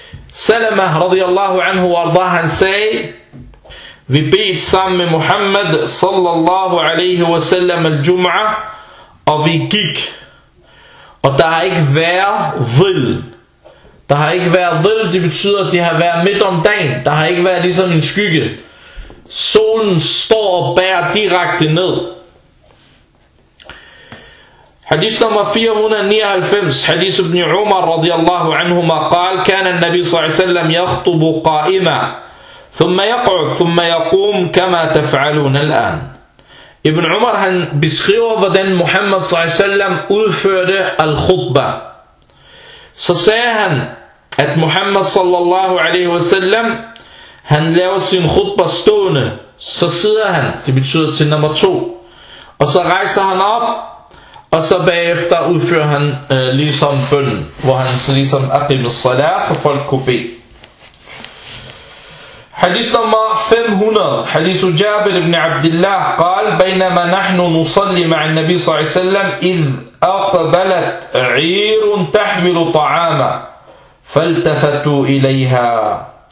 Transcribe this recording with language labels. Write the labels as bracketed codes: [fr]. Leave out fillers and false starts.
[da] Salamah radiyallahu anhu ardaha say vi bedt sammen med Muhammad sallallahu alaihi wa sallam al-jum'a, og vi gik. Og der har ikke været dhil. Der har ikke været dhil, det betyder, at det har været midt om dagen. Der har ikke været ligesom en skygge. Solen står og bærer direkte ned. Hadith nummer 499, [ar] hadith ibn Umar radiyallahu anhuma, قال كان النبي صلى الله عليه وسلم يخطب قائما ثم يقعد ثم يقوم كما تفعلون الآن. [da] Ibn Umar, han beskriver, hvordan Muhammad s.a.v. udførte al-khutbah. Så sagde han, at Muhammad s.a.v. han laver sin khutbah stående. Så sidder han, det betyder til nummer to. Og så rejser han op, og så bagefter udfører han ligesom bøn, hvor han så ligesom aqim al-salah, så folk kunne bede. [ar] حديث نمبر 500 حديث جابر بن عبد الله قال بينما نحن نصلي مع النبي صلى الله عليه وسلم إذ أقبلت عير تحمل طعاما فالتفتوا إليها